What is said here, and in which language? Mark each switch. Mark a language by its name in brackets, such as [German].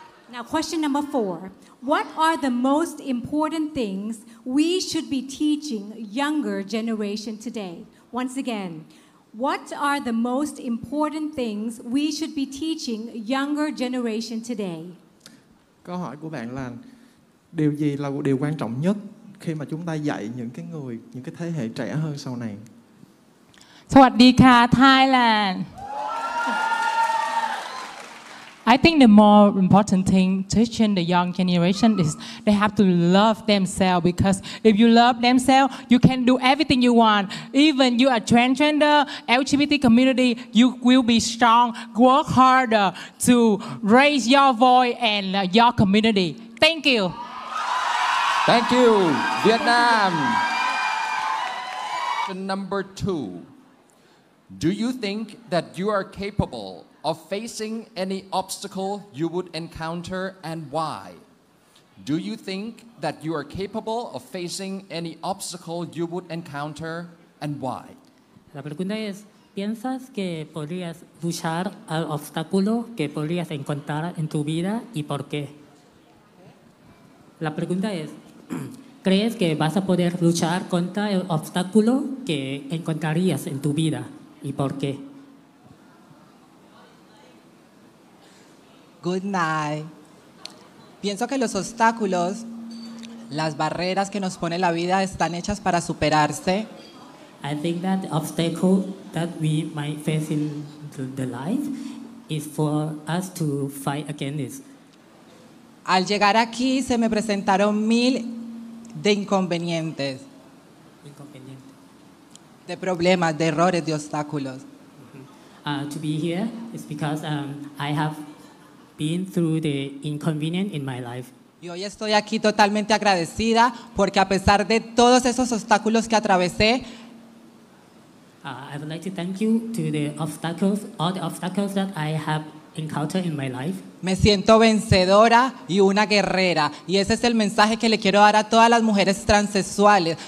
[English] Now, question number four. What are the most important things we should be teaching younger generation today? Once again, what are the most important things we should be teaching younger generation today? [Vietnamese] Câu hỏi của bạn là điều gì là điều quan trọng nhất khi mà chúng ta dạy những cái người, những cái thế hệ trẻ hơn sau này? [Thai] Sawadika, Thailand. [English] I think the more important thing teaching the young generation is they have to love themselves, because if you love themselves, you can do everything you want. Even you are transgender, LGBT community, you will be strong, work harder to raise your voice and your community. Thank you. Thank you, Vietnam. Number two, do you think that you are capable of facing any obstacle you would encounter, and why? Do you think that you are capable of facing any obstacle you would encounter, and why? [Spanish] La pregunta es, ¿piensas que podrías luchar al obstáculo que podrías encontrar en tu vida, y por qué? La pregunta es, ¿Crees que vas a poder luchar contra el obstáculo que encontrarías en tu vida? ¿Y por qué? [English] Good night. [Spanish] Pienso que los obstáculos, las barreras que nos pone la vida, están hechas para superarse. [English] I think that the obstacle that we might face in the life is for us to fight against it. [Spanish] Al llegar aquí se me presentaron mil de inconvenientes. Inconveniente. De problemas, de errores, de obstáculos. Mm-hmm. [English] To be here is because I have been through the inconvenience in my life. [Spanish] Y hoy estoy aquí totalmente agradecida porque a pesar de todos esos obstáculos que atravesé, [English] I would like to thank you to the obstacles, all the obstacles that I have encountered in my life. [Spanish] Me siento vencedora y una guerrera. Y ese es el mensaje que le quiero dar a todas las mujeres transexuales.